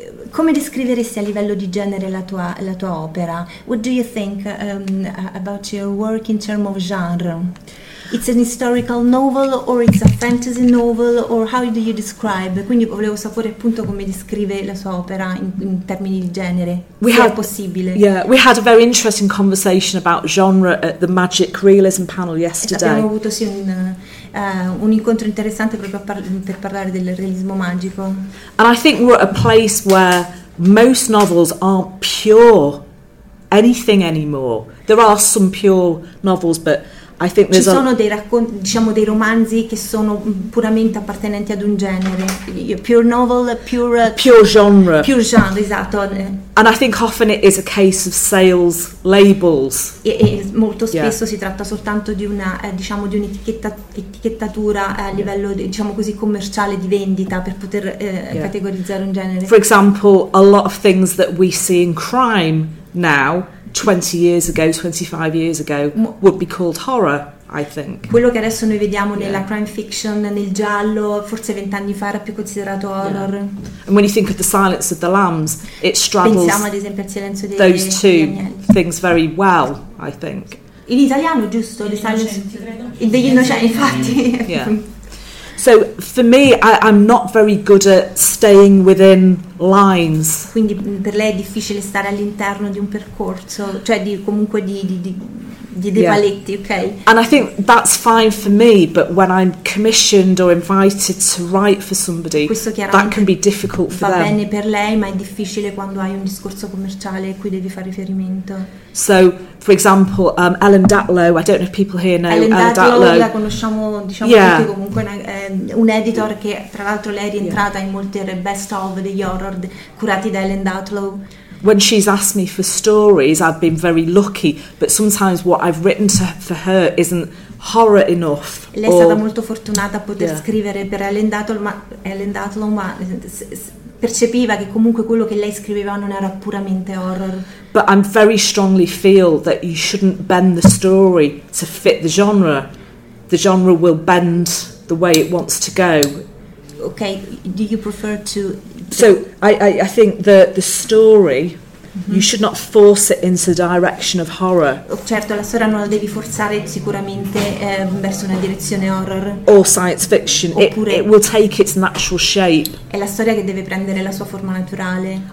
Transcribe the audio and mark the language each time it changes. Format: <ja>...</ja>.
<it>Come descriveresti a livello di genere la tua opera?</it> <en>What do you think about your work in terms of genre? It's an historical novel or it's a fantasy novel or how do you describe?</en> <it>Quindi volevo sapere appunto come descrive la sua opera in termini di genere. È possibile.</it> <en>Yeah, we had a very interesting conversation about genre at the Magic Realism panel yesterday.</en> <it>Abbiamo avuto sì un incontro interessante proprio per parlare del realismo magico.</it> <en>And I think we're at a place where most novels aren't pure anything anymore. There are some pure novels, but I think</en> <it>ci sono dei racconti, diciamo dei romanzi che sono puramente appartenenti ad un genere,</it> <en>pure novel, pure genre,</en> <it>esatto.</it> <en>And I think often it is a case of sales labels.</en> <it>E molto spesso si tratta soltanto di una, diciamo, di un'etichettatura a livello, diciamo così, commerciale di vendita per poter categorizzare un genere.</it> <en>For example, a lot of things that we see in crime now. 20 years ago, 25 years ago, would be called horror, I think.</en> <it>Quello che adesso noi vediamo nella crime fiction, nel giallo, forse 20 anni fa era più considerato horror.</it> <en>And when you think of The Silence of the Lambs, it straddles,</en> <it>pensiamo ad esempio al Silenzio degli</it> <en>those two</en> <it>Agnelli.</it> <en>Things very well, I think.</en> <it>In italiano, giusto? Degli innocenti, credo. Degli innocenti, infatti.</it> <en>Yeah. So, for me, I'm not very good at staying within lines.</en> <it>Quindi per lei è difficile stare all'interno di un percorso, cioè di comunque di dei paletti, ok?</it> <en>And I think that's fine for me, but when I'm commissioned or invited to write for somebody,</en> <it>questo chiaramente</it> <en>that can be difficult for</en> <it>va</it> <en>them.</en> <it>Bene per lei, ma è difficile quando hai un discorso commerciale a cui devi fare riferimento.</it> <en>So, for example, Ellen Datlow, I don't know if people here know Ellen Datlow.</en> <it>La conosciamo, diciamo, tutti, comunque un editor che tra l'altro lei è rientrata in molte best of degli horror curati da Ellen Datlow.</it> <en>When she's asked me for stories, I've been very lucky, but sometimes what I've written for her isn't horror enough. Lei è stata molto fortunata a poter scrivere per Ellen Datlow, ma percepiva che comunque quello che lei scriveva non era puramente horror. But I very strongly feel that you shouldn't bend the story to fit the genre. The genre will bend the way it wants to go. Okay, do you prefer to... So I think the story, you should not force it into the direction of horror.</en> <it>Certo, la storia non la devi forzare sicuramente verso una direzione horror.</it> <en>Or science fiction.</en> <it>Oppure</it> <en>it will take its natural shape.</en> <it>È la storia che deve prendere la sua forma naturale.</it>